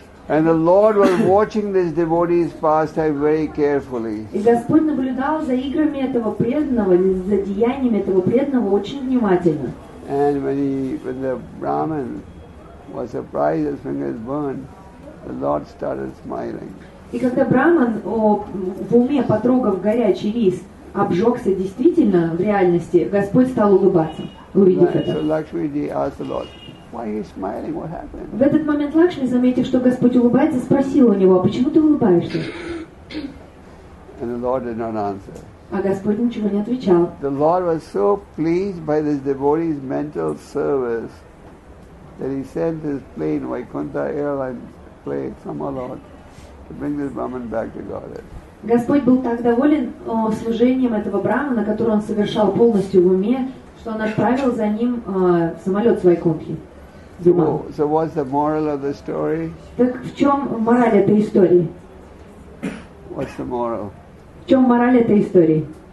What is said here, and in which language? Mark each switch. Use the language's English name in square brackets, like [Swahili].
[English] And the Lord was watching this devotee's pastime very carefully. [Russian] И Господь наблюдал за играми этого преданного, за деяниями этого преданного очень внимательно. [English] And when the Brahmin was surprised his fingers burned, the Lord started smiling. [Russian] И когда Браман в уме, потрогав горячий рис, обжегся действительно в реальности, Господь стал улыбаться, увидев это. [English] So Lakshmi Ji asked the Lord, why are you smiling? What happened? [Russian] В этот момент Лакшми, заметив, что Господь улыбается, спросил у него, почему ты улыбаешься? [English] And the Lord did not answer. [Russian] А Господь ничего не отвечал. [English] The Lord was so pleased by this devotee's mental service that he sent his plane, Vaikuntha Airlines plane, some Lord. Bring this Brahman back to Godhead. [Russian] Господь был так доволен служением этого Брахмана, который он совершал полностью в уме, что он отправил за ним самолет с Вайкунтхи. [English] So what's the moral of the story? [Russian] Так в чем мораль этой истории? [English] What's the moral? [Russian] В чем мораль этой истории?